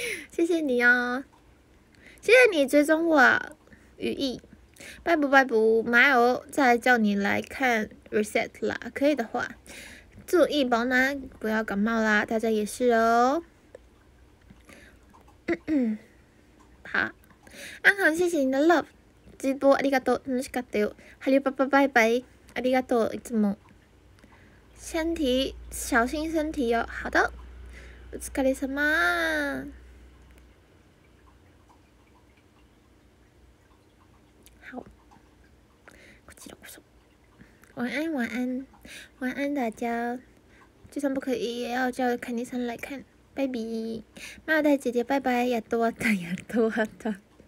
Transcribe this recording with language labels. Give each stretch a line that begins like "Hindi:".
Chinese: 谢谢你哦，谢谢你追踪我，羽翼，拜不拜不，麻油再叫你来看 reset 啦，可以的话，注意保暖，不要感冒啦，大家也是哦。嗯嗯，好，安恒，谢谢你的 love， 直播
Japanese: ありがとう、楽しかったよ。ハリパパバイバイ、ありがとう、いつも。
Chinese: 身体小心身体哟、哦，好的。
Japanese: お疲れ様。
Chinese: 好。
Japanese: こちらこそ。
Chinese: 晚安晚安晚安大家，就算不可以也要叫肯尼森来看。拜拜，麻油姐姐拜拜，
Japanese: やっと終わった、やっと終わった。